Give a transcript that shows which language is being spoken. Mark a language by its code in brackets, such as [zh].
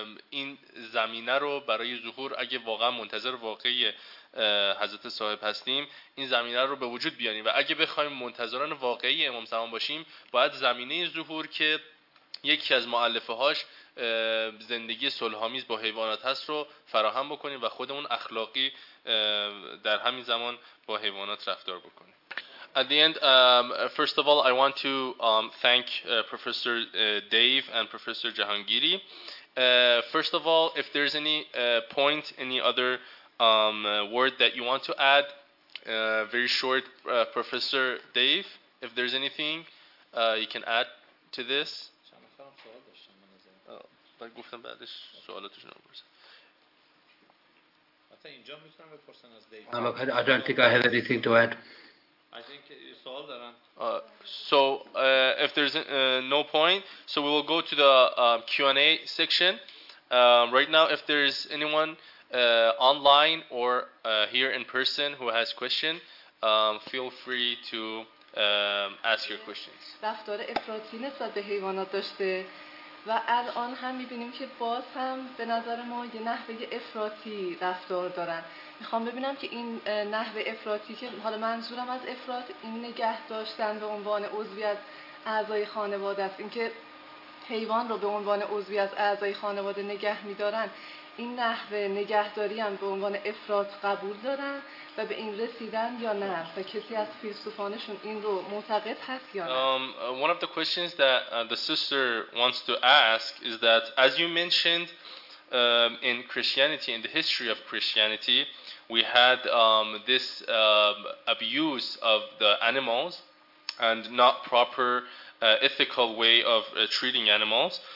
[fa] این زمینه رو برای ظهور اگه واقعا منتظر واقعی حضرت صاحب هستیم این زمینه رو به وجود بیاریم و اگه بخوایم منتظران واقعی امام زمان باشیم باید زمینه ظهور که یکی از مؤلفه هاش زندگی صلح‌آمیز با حیوانات هست رو فراهم بکنیم و خودمون اخلاقی در همین زمان با حیوانات رفتار بکنیم. [en] At the end, first of all, I want to thank Professor Dave and Professor Jahangiri. First of all, if there's any point, any other word that you want to add, very short, Professor Dave, if there's anything you can add to this. [fa] گفتم بعدش سوالاتش رو بپرسم. حتی اینجا میتونم بپرسم از دیو. [en] I don't think I have anything to add. I think [fa] سوال دارن. [en] So if there's no point, so we will go to the Q&A section. Right now, if there's anyone online or here in person who has question, feel free to ask your questions. [fa] رفتار افراطی نسبت به حیوانات داشته و الان هم میبینیم که باز هم به نظر ما یه نحوه افراطی رفتار دارن. میخوام ببینم که این نحوه افراطی که حالا منظورم از افراط این نگه داشتن به عنوان عضوی از اعضای خانواده است، این که حیوان رو به عنوان عضوی از اعضای خانواده نگه میدارن، این نحوه نگهداری هم به عنوان افراط قبول دارن و به این رسیدن یا نه و کسی از فیلسوفانشون این رو معتقد هست یا نه؟ [en] One of the questions that the sister wants to ask is that, as you mentioned, in Christianity, in the history of Christianity, we had this abuse of the animals and not proper ethical way of treating animals.